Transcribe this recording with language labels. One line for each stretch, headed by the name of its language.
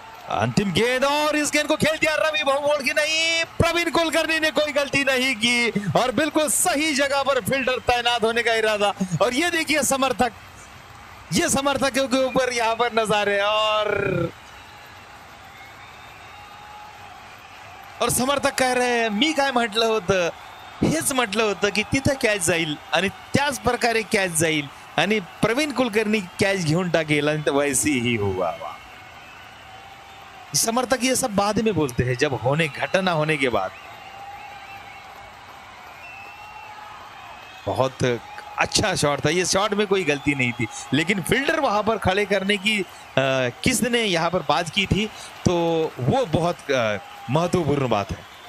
Hindi: अंतिम गेंद और इस गेंद को खेल दिया रवि भोंगोल की नहीं, प्रवीण कुलकर्णी ने कोई गलती नहीं की और बिल्कुल सही जगह पर फील्डर तैनात होने का इरादा। और ये देखिए समर्थक, ये समर्थकों के ऊपर यहां पर नजारे और समर्थक कह रहे हैं
Marathi: मी काय म्हटलं होतं, हेच म्हटलं होतं की तिथे कॅच जाईल आणि त्याच प्रकारे कॅच जाईल आणि प्रवीण कुलकर्णी कॅच घेऊन टाकेल आणि
Hindi: वैसी ही हुआ। समर्थक ये सब बाद में बोलते हैं जब होने घटना होने के बाद। बहुत अच्छा शॉट था, ये शॉट में कोई गलती नहीं थी लेकिन फील्डर वहां पर खड़े करने की किसने यहां पर बात की थी तो वो बहुत महत्वपूर्ण बात है।